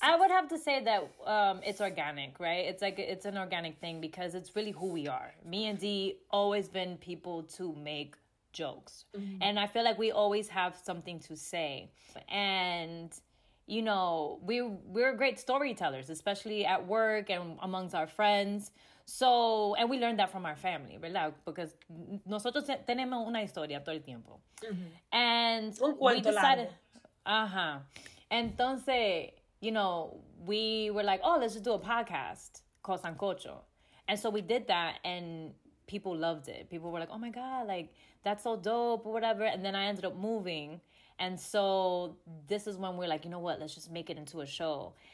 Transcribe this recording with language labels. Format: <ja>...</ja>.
<en>I would have to say that it's organic, right? It's like, it's an organic thing because it's really who we are. Me and Dee always been people to make jokes. Mm-hmm. And I feel like we always have something to say. And, you know, we're great storytellers, especially at work and amongst our friends. So, and we learned that from our family, ¿verdad?</en> <es>Because nosotros tenemos una historia todo el tiempo.</es> <en>Mm-hmm. And</en> <es>un cuento largo. Uh-huh.</es> <en>Entonces, you know, we were like, oh, let's just do a podcast called Sancocho. And so we did that, and people loved it. People were like, oh my God, like, that's so dope or whatever. And then I ended up moving. And so this is when we're like, you know what, let's just make it into a show.</en>